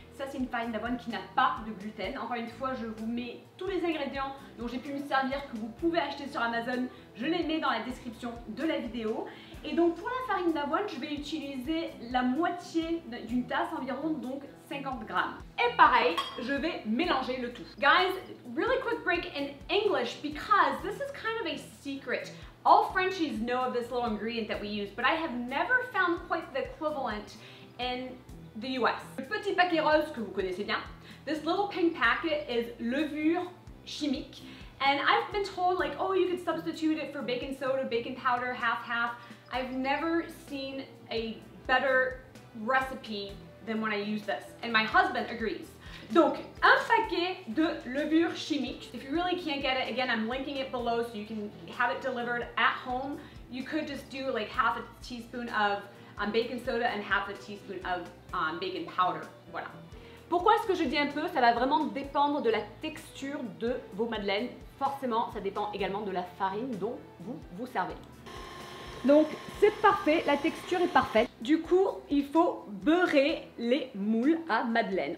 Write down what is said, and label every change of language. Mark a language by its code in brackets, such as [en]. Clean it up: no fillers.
[fr] Ça c'est une farine d'avoine qui n'a pas de gluten. Encore une fois, je vous mets tous les ingrédients dont j'ai pu me servir que vous pouvez acheter sur Amazon. Je les mets dans la description de la vidéo. Et donc pour la farine d'avoine, je vais utiliser la moitié d'une tasse environ, donc 50 grammes. Et pareil, je vais mélanger le tout. [en] Guys, really quick break in English because this is kind of a secret. All Frenchies know of this little ingredient that we use, but I have never found quite the equivalent in the US. [fr] Le petit paquet rose que vous connaissez bien. [en] This little pink packet is levure chimique. And I've been told like, oh, you could substitute it for baking soda, baking powder, half-half. I've never seen a better recipe than when I use this. And my husband agrees. [fr] Donc, un paquet de levure chimique. [en] If you really can't get it, again, I'm linking it below so you can have it delivered at home. You could just do like half a teaspoon of baking soda and half a teaspoon of baking powder. [fr] Voilà. Pourquoi est-ce que je dis un peu? Ça va vraiment dépendre de la texture de vos madeleines. Forcément, ça dépend également de la farine dont vous vous servez. Donc, c'est parfait, la texture est parfaite. Du coup, il faut beurrer les moules à madeleine.